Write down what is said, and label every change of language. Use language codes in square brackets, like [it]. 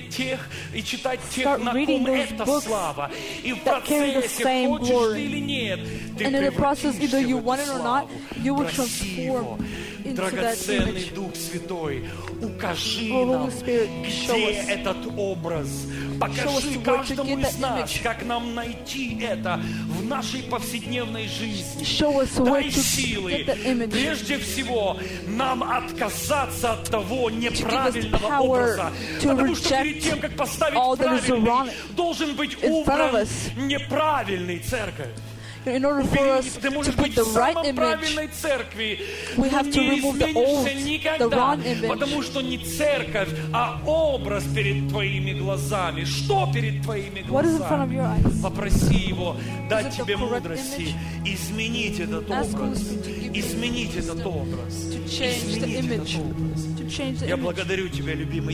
[en] Start reading those books that carry the same glory. And in the process, either you want it or not, you will transform into that image. [ru] Укажи нам, где этот образ. Покажи каждому из нас, как нам найти это в нашей повседневной жизни. Дай силы, прежде всего, нам отказаться от того неправильного образа. Потому что перед тем, как поставить правильный, должен быть убран неправильный церковь. [en] In order for us to put the right image, we have to remove the old, the wrong image. [ru] Потому что не церковь, а образ перед твоими глазами. Что перед твоими глазами? Попроси его дать тебе мудрости, изменить этот образ, изменить этот образ, изменить этот образ. Я благодарю тебя, любимый.